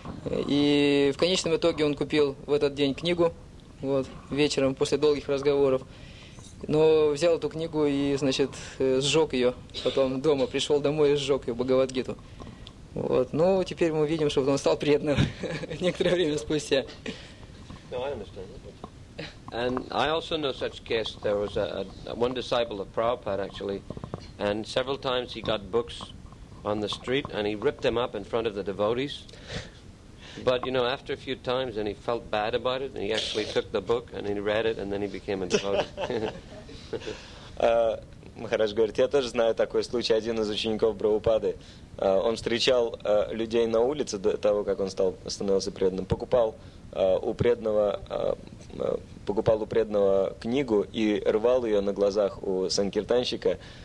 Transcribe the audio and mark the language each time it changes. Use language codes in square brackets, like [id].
[ru] И в конечном итоге он купил в этот день книгу вот, вечером после долгих разговоров. Но взял эту книгу и, значит, сжег ее. Потом дома пришел домой и сжег ее, Бхагавадгиту. Вот. Но теперь мы видим, что он стал преданным некоторое время спустя. [en] No, I understand. And I also know such case. There was one disciple of Prabhupada, actually, and several times he got books on the street and he ripped them up in front of the devotees. But, you know, after a few times, and he felt bad about it, and he actually took the book, and he read it, and then he became a devotee. [ru] Махарадж говорит, я тоже знаю такой случай. Один из учеников Прабхупады, он встречал людей на улице до того, как он становился преданным, покупал у преданного книгу и рвал ее на глазах у санкиртанщика.